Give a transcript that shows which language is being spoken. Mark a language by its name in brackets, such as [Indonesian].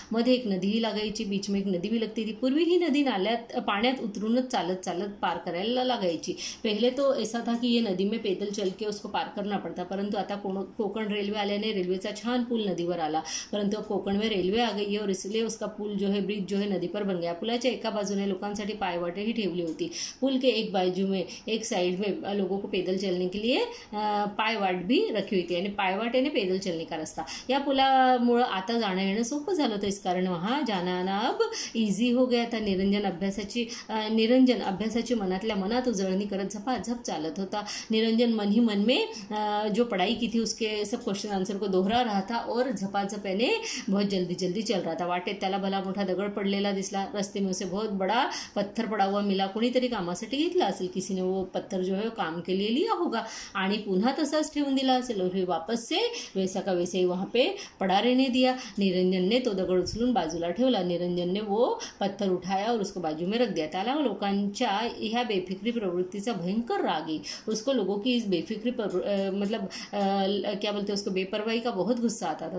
[Marathi] मध्य एक नदी ही लगायची, [Hindi] बीच में एक नदी भी लगती थी। [Marathi] पूर्वी ही नदी नाल्यात पाण्यात उतरूनच चालत चालत पार करायला लागायची। [Hindi] पहले तो ऐसा था कि ये नदी में पैदल चल के उसको पार करना पड़ता, [Marathi] परंतु आता कोकण रेलवे आल्याने रेलवेचा छान पुल नदीवर आला, [Hindi] परंतु अब कोकण में रेलवे आ गई है और इसलिए उसका पुल जो है ब्रिज जो है नदी पर बन गया। [Marathi] पुलाच्या एका बाजूने लोकांसाठी पायवाटे ही ठेवली होती। [Hindi] पुल के एक बाजू में एक साइड में लोगों को पैदल चलने के लिए पायवाट भी रखी हुई थी, यानी पायवाटे ने पैदल चलने का रास्ता। [Marathi] या पुलामुळे आता जाणं येणं सोपं झालं होतं, [Hindi] इस कारण वहां जाना आना अब इजी हो गया था। [Marathi] निरंजन अभ्यासाची मनातल्या मनात उजळणी करत झपाझप चालत होता। [Hindi] निरंजन मन ही मन में जो पढ़ाई की थी उसके सब क्वेश्चन आंसर को दोहरा रहा था और झपाझप याने बहुत जल्दी जल्दी चल रहा था। [Marathi] वाटेत त्याला भला मोठा दगड़ पडलेला दिसला, [Hindi] रस्ते में उसे बहुत बड़ा पत्थर पड़ा हुआ मिला। [Marathi] कोणीतरी कामासाठी घेतला असेल, [Hindi] किसी ने वो पत्थर जो है काम के लिए लिया होगा [Marathi] आणि पुन्हा तसाच ठेवून दिला असेल। [Hindi] और वापस से वैसा का वैसे ही वहां पे पड़ा रहने दिया। [Marathi] निरंजन ने तो दगड़ उचलून बाजूला ठेवला। [Hindi] निरंजन ने वो पत्थर उठाया और उसको बाजू में रख दिया। [Marathi] त्याला लोकांच्या ह्या बेफिक्री प्रवृत्तीचा भयंकर राग आई। [Hindi] उसको लोगों की इस बेफिक्री मतलब क्या बोलते हैं उसको बेपरवाही का बहुत गुस्सा आता था।